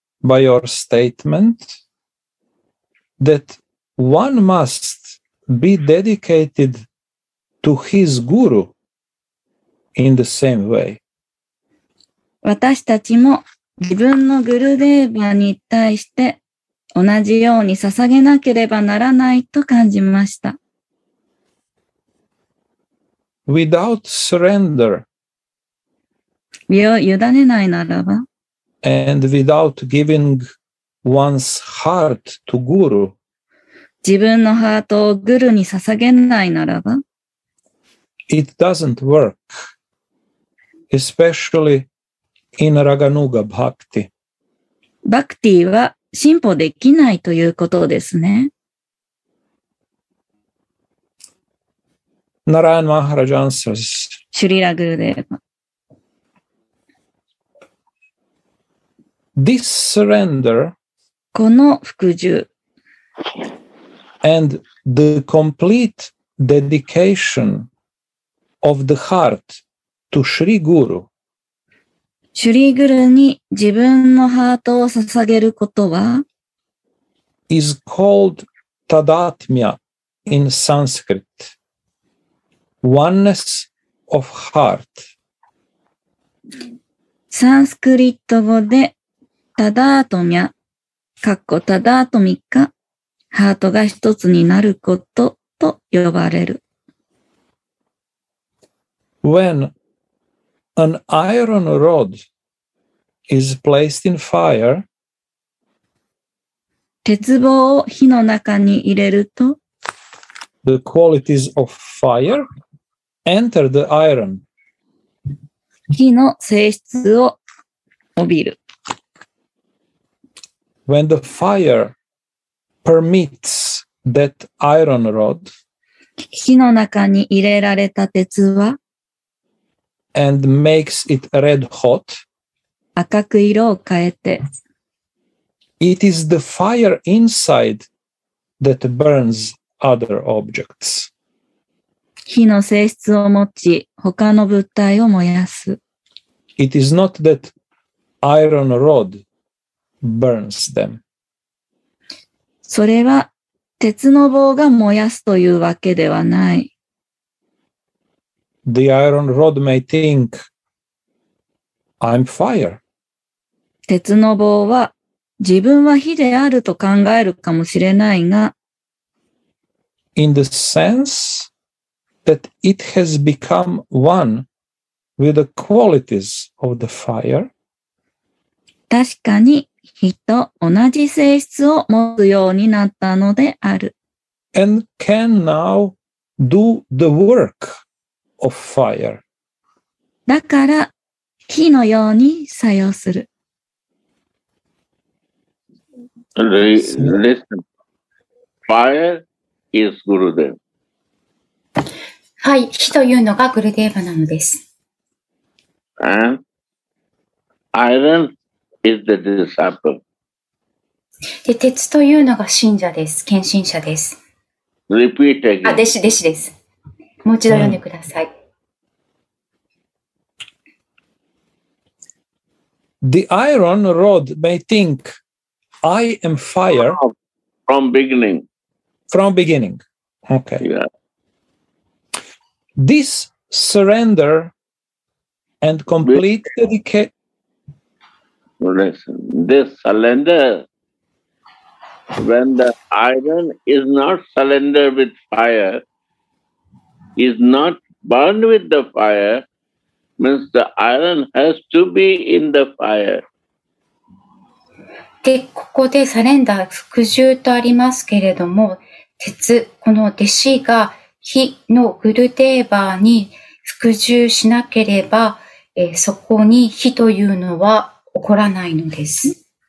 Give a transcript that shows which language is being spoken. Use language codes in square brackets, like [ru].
[en] by your statement that one must be dedicated to his guru in the same way. [ja] 私たちも自分のグルデーバに対して同じように捧げなければならないと感じました。 [en] Without surrender, [ja] 身を委ねないならば [en] and without giving one's heart to guru, [ja] 自分のハートをグルに捧げないならば [en] it doesn't work, especially in Raganuga Bhakti. [ja] バクティは進歩できないということですね。ナラヤン・マハラジャンサス。シュリラ・グルデーヴ。 [en] This surrender [ja] この服従 [en] and the complete dedication of the heart to Shri Guru [ja] シュリグルに自分のハートを捧げることは [en] is called Tadatmya in Sanskrit Oneness of Heart [ja] サンスクリット語でタダートミャ、カッコタダートミカ、ハートが一つになることと呼ばれる。 [en] When an iron rod is placed in fire, [ja] 鉄棒を火の中に入れると、 [en] The qualities of fire enter the iron. [ja] 火の性質を帯びる。 [en] When the fire permits that iron rod, [ja] 火の中に入れられた鉄は [en] and makes it red hot, [ja] 赤く色を変えて [en] it is the fire inside that burns other objects. [ja] 火の性質を持ち他の物体を燃やす [en] It is not that iron rod burns them. [ja] それは鉄の棒が燃やすというわけではない。 [en] The iron rod may think, I'm fire. [ja] 鉄の棒は自分は火であると考えるかもしれないが、 [en] In the sense that it has become one with the qualities of the fire. [ja] 確かに。火と同じ性質を持つようになったのである。 [en] And can now do the work of fire. [ja] だから火のように作用する。 [en] Listen. Fire is Gurudev. [ja] はい、火というのがグルデーヴァなのです。 [en] And iron. Is the disciple. [ja] で鉄というのが信者です、献身者です。 [en] Repeat again. [ja] あ、弟子、弟子です。もう一度読んでください。 [en] The iron rod may think, I am fire. From beginning. From beginning. Okay. Yeah. This surrender and complete dedication. Listen, this surrender, when the iron is not surrendered with fire, is not burned with the fire, means the iron has to be in the fire. [ja] で、ここでサレンダー、服従とありますけれども、鉄、この弟子が火のグルデーヴァに服従しなければ、そこに火というのは、起こらないのです。